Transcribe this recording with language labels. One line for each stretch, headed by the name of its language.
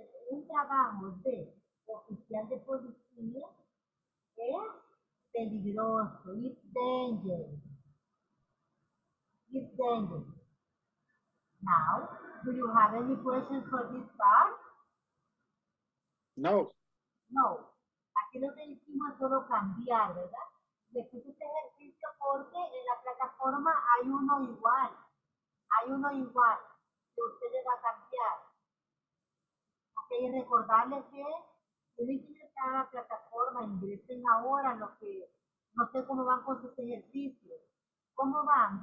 Spanish: Un trabajo de oficial de policía es peligroso.
English: It's dangerous. It's dangerous. Now, do you have any questions for this part? No. No.
Spanish: Aquí lo que hicimos es solo cambiar, ¿verdad? Después de este ejercicio porque en la plataforma hay uno igual. Hay uno igual que usted le va a cambiar. Y recordarles que tienen que ingresar a la plataforma, ingresen ahora lo que, no sé cómo van con sus ejercicios. ¿Cómo van?